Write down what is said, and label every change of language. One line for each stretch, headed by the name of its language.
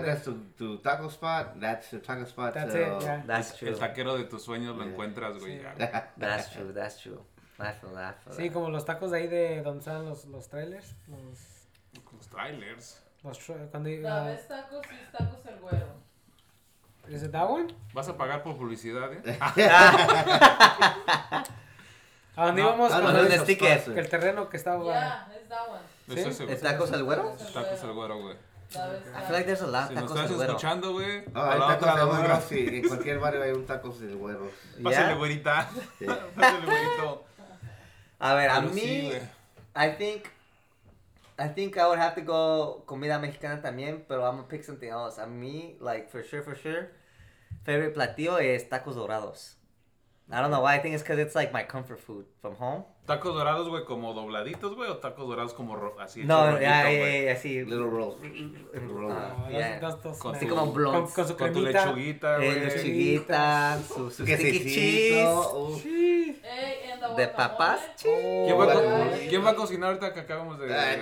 English: That's tu taco spot, that's your taco spot. That's so... it, yeah. That's true.
Spanish: El taquero de tus sueños lo encuentras, güey.
English: That's true, that's true. Laugh.
Spanish: Sí, como los tacos de ahí de donde salen los trailers. Los trailers. Cuando la vez tacos y tacos el güero.
English: ¿Es that one?
Spanish: Vas a pagar por publicidad, ¿eh? ¿A dónde íbamos? No, no, no, el sticker. El terreno que estaba... Ya, es
English: that one.
Spanish: ¿Sí? ¿Es tacos al güero? Tacos al güero, güey.
English: I feel like there's a lot of
Spanish: si tacos al güero. Si nos estás escuchando, güey. No, hay tacos al güero, sí. En cualquier barrio hay un tacos al güero. Yeah. Pásale, güerita. Sí. Pásale, güerito. A ver, pero a mí... Sí,
English: I think I would have to go
Spanish: comida mexicana también, pero
English: I'm gonna pick something else.
Spanish: A mí,
English: like, for sure, favorite
Spanish: platillo es tacos dorados.
English: I don't know why, I think it's because it's like my comfort food from home.
Spanish: ¿Tacos dorados, güey, como dobladitos, güey, o tacos dorados como así? No, ya, así.
English: Little rolls. Rolls. Yeah.
Spanish: Así como blunts. Con tu lechuguita, güey. Lechuguita, su
English: sticky cheese.
Spanish: De papas. ¿Quién va a cocinar ahorita que acabamos de...?